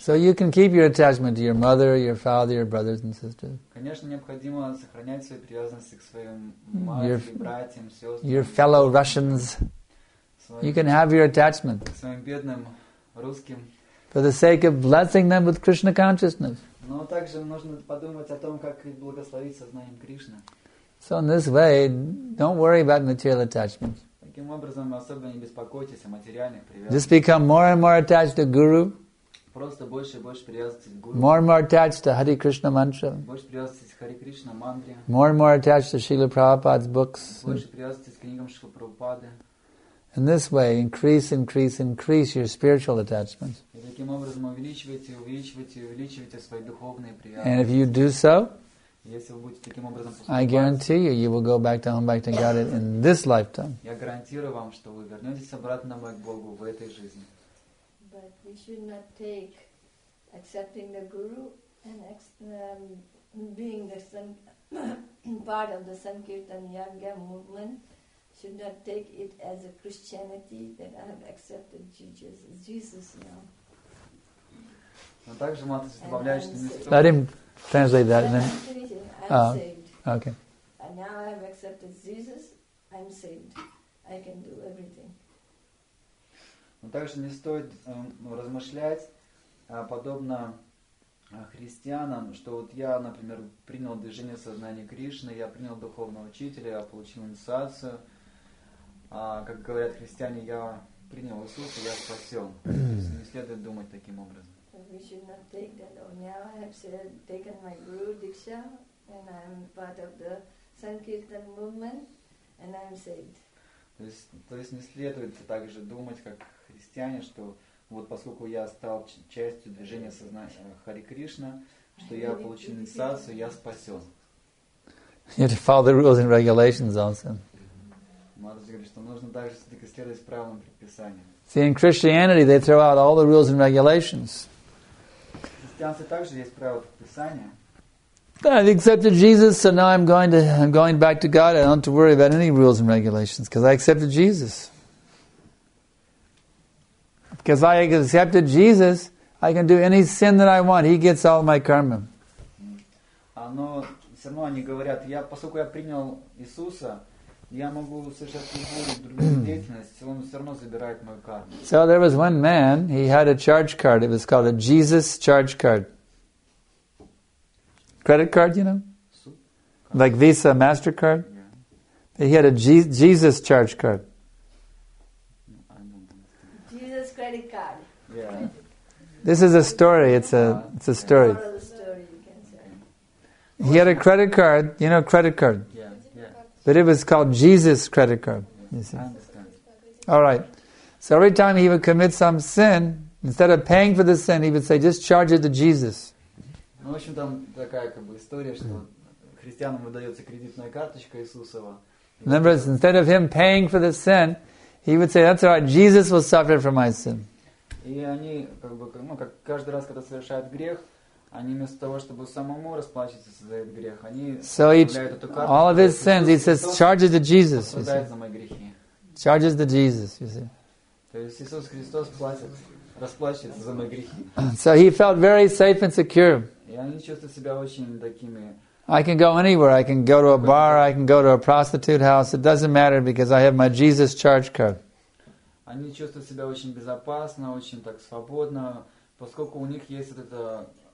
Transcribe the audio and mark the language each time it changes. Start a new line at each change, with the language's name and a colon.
English: So you can keep your attachment to your mother, your father, your brothers and sisters.
Russian: Конечно, необходимо сохранять свои привязанности к своим матерям, братьям, сестрам.
English: Your fellow Russians. You can have your attachment.
Russian: К своим бедным русским.
English: For the sake of blessing them with Krishna consciousness.
Russian: Но также нужно подумать о том, как благословить сознанием Кришны.
English: So in this way, don't worry about material attachments.
Russian: Таким образом, особо не беспокойтесь о материальных привязках.
English: Just become more and more attached to Guru.
Russian: Просто больше и больше привязывайтесь к Гуру.
English: More and more attached to Hare Krishna mantra.
Russian: Больше привязывайтесь к Hare Krishna мантре.
English: More and more attached to Srila Prabhupada's books.
Russian: Больше привязывайтесь к книгам Шрилы Прабхупады.
English: In this way, increase, increase, increase your spiritual attachments.
Russian: И таким образом увеличивайте, увеличивайте, увеличивайте свои духовные привязки.
English: And if you do so,
Russian: если вы будете таким образом поступать,
English: I guarantee you, you will go back to home, back to God in this lifetime.
Russian: Я гарантирую вам, что вы вернетесь обратно к Богу в этой жизни.
English: But we should not take accepting the Guru and being the part of the Sankirtan Yagya movement should not take it as a Christianity that I have accepted Jesus now.
Russian: Но также Матаси добавляет, что не стоит.
English: Translate that, and then. I'm saved. Okay. And now I have accepted Jesus. I'm saved. I can do everything.
Russian: Но также не стоит размышлять подобно христианам, что вот я, например, принял движение сознания Кришны, я принял духовного учителя, я получил инициацию. Как говорят христиане, я принял Иисуса, я спасен. Не следует думать таким образом.
English: We should not take that. Oh, now I have taken my Guru Diksha and I'm part of the Sankirtan movement and I'm saved. То есть не следует также думать, как христиане, что вот поскольку я стал частью движения сознания Хари Кришна, что я получил инициацию, я спасен. You have to follow the rules and regulations also. Матаджи говорит, что нужно также все-таки следовать правилам предписания. See, in Christianity they throw out all the rules and regulations. I accepted Jesus, so now I'm going back to God. I don't have to worry about any rules and regulations because I accepted Jesus. Because I accepted Jesus, I can do any sin that I want. He gets all my karma.
Russian: Но все равно они говорят, я поскольку я принял Иисуса, я могу совершать любую другую деятельность, он все равно забирает мою карму.
English: So there was one man, he had a charge card, it was called a Jesus charge card. Credit card, you know? Like Visa, MasterCard? Yeah. He had a Jesus charge card. Jesus credit card. Yeah. This is a story, it's a story. Moral story, you can say. He had a credit card, you know, credit card. Yeah. But it was called Jesus' credit card. You see. I understand. All right. So every time he would commit some sin, instead of paying for the sin, he would say, "Just charge it to Jesus."
Russian: Ну, в общем, там такая как бы история, что христианам выдается кредитная карточка Иисусова.
English: Remember, instead of him paying for the sin, he would say, "That's all right. Jesus will suffer for my sin."
Russian: И они как бы, ну, как каждый раз, когда совершают грех, они вместо того, чтобы самому расплачиваться за этот грех, они оставляют эту карту.
English: All of his sins, he says, charges to Jesus.
Russian: Оставляет за мои грехи.
English: Charges to Jesus, you see.
Russian: То есть Иисус Христос платит, расплачивается за мои грехи.
English: So he felt very safe and secure.
Russian: И они чувствуют себя очень такими.
English: I can go anywhere. I can go to a bar. I can go to a prostitute house. It doesn't matter because I have my Jesus charge card.
Russian: Они чувствуют себя очень безопасно, очень так свободно, поскольку у них есть вот это.